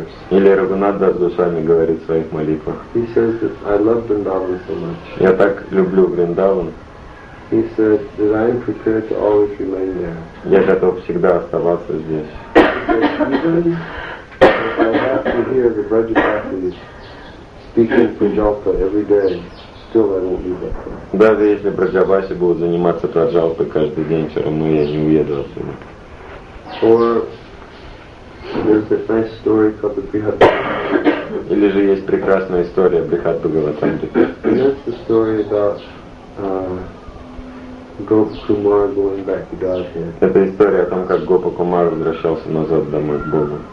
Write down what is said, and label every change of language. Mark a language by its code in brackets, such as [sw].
[ru] Или Рагхунат Дас Госвами говорит в своих молитвах. [en] He says that I love Vrindavan so much. [ru] Я так люблю Вриндаван. [en] He said that I am prepared to always remain there. [ru] Я готов всегда оставаться здесь. [en] Speaking Prajalpa every day, still I won't leave that place. [ru] Даже если Браджабаси будут заниматься Праджалпой каждый день, все равно я не уеду отсюда. [en] Or there's a nice story called the Brihat Bhagavatam. [ru] Или же есть прекрасная история Брихат Бхагаватамрита. [en] And that's the story about Гопа-кумар going back to Godhead. [ru] Это история о том, как Гопа-кумар возвращался назад домой к Богу.